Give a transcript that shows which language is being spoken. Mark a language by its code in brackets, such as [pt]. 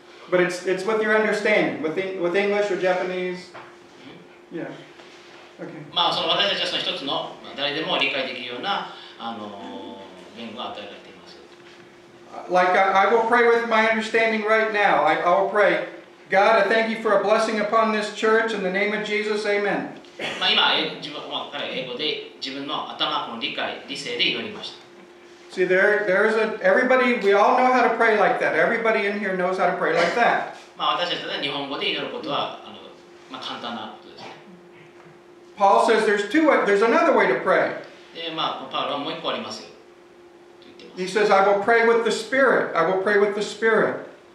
[en] But it's with your understanding, with English or Japanese. Yeah. Okay. [ja] まあ、その私たちはその一つの、まあ、誰でも理解できるような、言語を与えられています。 [en] Like I will pray with my understanding right now. I will pray, God, I thank you for a blessing upon this church in the name of Jesus. Amen. [ja] まあ今自分まあ英語で自分の頭の理解理性で祈りました。 [en] See there is a everybody we all know how to pray like that. Everybody in here knows how to pray like that. [ja] まあ私たちは日本語で祈ることはまあ簡単なことです。 [en] Paul says there's another way to pray. [ja] でまあパウロはもう一個ありますよ。 [en] He says, I will pray with the Spirit. I will pray with the Spirit.